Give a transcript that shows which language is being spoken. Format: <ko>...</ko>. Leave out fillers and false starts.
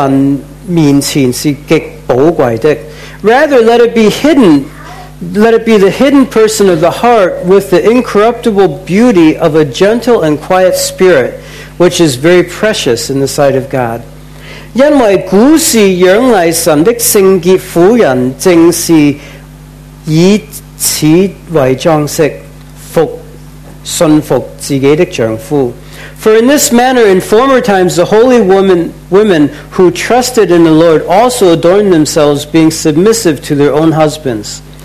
<zh>只要以里面穿着长久温柔、安静的心为装饰，这在神面前是极宝贵的。</zh> <en>Rather, let it be hidden. Let it be the hidden person of the heart with the incorruptible beauty of a gentle and quiet spirit, which is very precious in the sight of God.</en> <zh>因为古时养礼神的圣洁妇人正是以此为装饰，服顺服自己的丈夫。</zh> <en>For in this manner, in former times, the holy women who trusted in the Lord also adorned themselves, being submissive to their own husbands.</en>